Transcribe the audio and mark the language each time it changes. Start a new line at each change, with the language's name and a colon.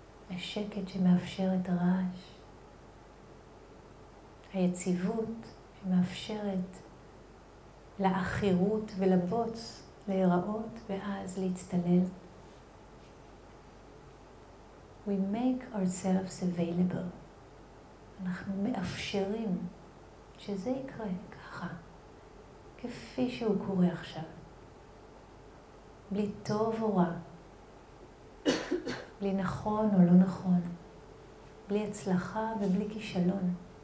Hebrew: השקט שמאפשר את הרעש, היציבות שמאפשרת לאחירות ולבוץ להיראות ואז להצטלל.
English: We make ourselves available.
Hebrew: אנחנו מאפשרים שזה יקרה ככה, כפי שהוא קורה עכשיו. בלי טוב או רע, בלי נכון או לא נכון, בלי הצלחה ובלי כישלון.